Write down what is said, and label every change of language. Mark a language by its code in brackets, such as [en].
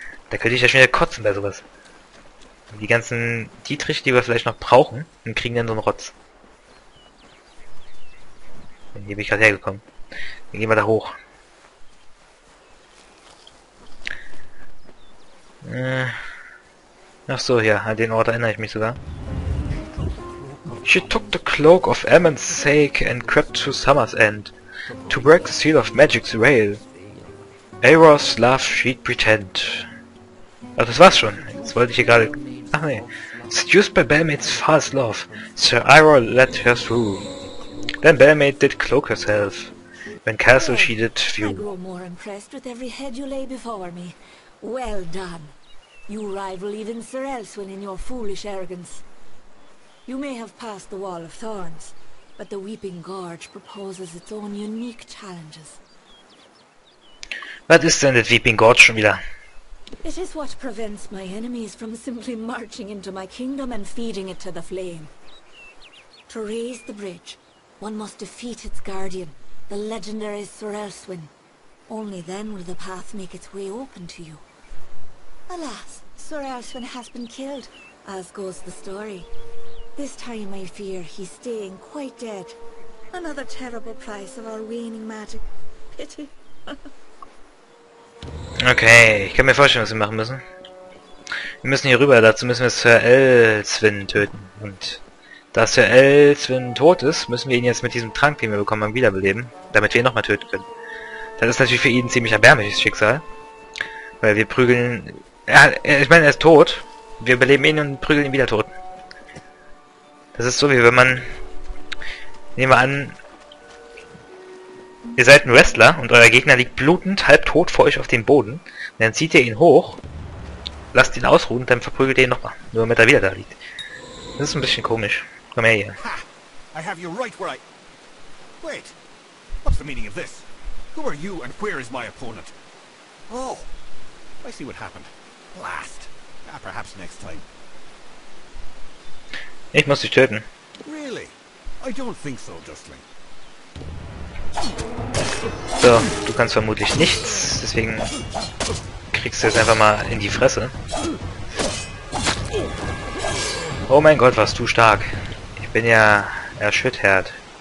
[de] Da könnte ich ja schon wieder kotzen bei sowas. Die ganzen Dietrich, die wir vielleicht noch brauchen, und kriegen dann so einen Rotz. Und hier bin ich gerade hergekommen. Dann gehen wir da hoch. Ach so, ja, an den Ort erinnere ich mich sogar. [en] She took the cloak of Ammon's sake and crept to Summer's End to break the seal of Magic's rail. Aeros love she'd pretend. [de] Ach, das war's schon. Jetzt wollte ich hier gerade... Ach nee. [en] Seduced by Belmaid's false love, Sir Iroh led her through. Then Belmaid did cloak herself, when castle she did view. I grow more impressed with every head you lay before me. Well done. You rival even Sir Elswin in your foolish arrogance. You may have passed the Wall of Thorns, but the Weeping Gorge proposes its own unique challenges. [de] Was ist denn das Weeping Gorge schon wieder? [en] It is what prevents my enemies from simply marching into my kingdom and feeding it to the flame. To raise the bridge, one must defeat its guardian, the legendary Sir Elswin. Only then will the path make its way open to you. Alas, Sir Elswin has been killed, as goes the story. This time I fear he's staying quite dead. Another terrible price of our waning magic. Pity. [de] Okay, ich kann mir vorstellen, was wir machen müssen. Wir müssen hier rüber, dazu müssen wir Sir Elswin töten. Und da Sir Elswin tot ist, müssen wir ihn jetzt mit diesem Trank, den wir bekommen haben, wiederbeleben, damit wir ihn nochmal töten können. Das ist natürlich für ihn ein ziemlich erbärmliches Schicksal. Weil wir prügeln... Ja, ich meine, er ist tot. Wir beleben ihn und prügeln ihn wieder tot. Das ist so, wie wenn man... Nehmen wir an... Ihr seid ein Wrestler und euer Gegner liegt blutend, halbtot vor euch auf dem Boden. Und dann zieht ihr ihn hoch, lasst ihn ausruhen und dann verprügelt ihr ihn nochmal. Nur damit er wieder da liegt. Das ist ein bisschen komisch. Komm her hier. [en] Ha! I have you right where I... Wait! What's the meaning of this? Who are you and where is my opponent? Oh! I see what happened. Blast! Ah, perhaps next time. [de] Ich muss dich töten. [en] Really? I don't think so, Justling. [de] So, du kannst vermutlich nichts, deswegen kriegst du jetzt einfach mal in die Fresse. Oh mein Gott, warst du stark. Ich bin ja erschüttert.